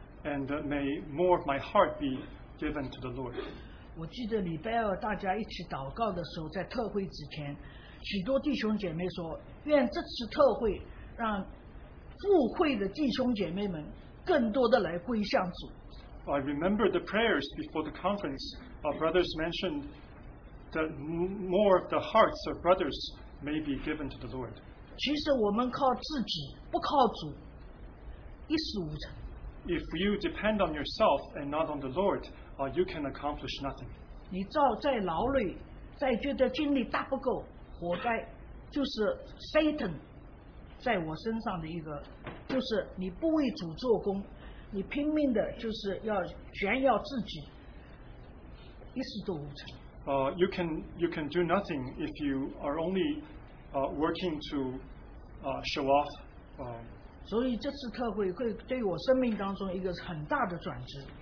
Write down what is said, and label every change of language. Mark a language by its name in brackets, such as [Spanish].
[English] And may more of my heart be given to the Lord. [Chinese] 我记得礼拜二大家一起祷告的时候，在特会之前， 许多弟兄姐妹说， 愿这次特会让赴会的弟兄姐妹们 更多的来归向主。 [English] I remember the prayers before the conference. Our brothers mentioned that more of the hearts of brothers may be given to the Lord. [Chinese] 其实我们靠自己，不靠主，一事无成。 [English] if you depend on yourself and not on the Lord, you can accomplish nothing. [Chinese] 你照再劳累, 再觉得精力大不够, 活该, 就是Satan 在我身上的一个, 就是你不为主做工, 你拼命的就是要炫耀自己, 一事都无成。 [English] You can do nothing if you are only working to show off. [Chinese] 所以这次特会会对我生命当中一个很大的转折。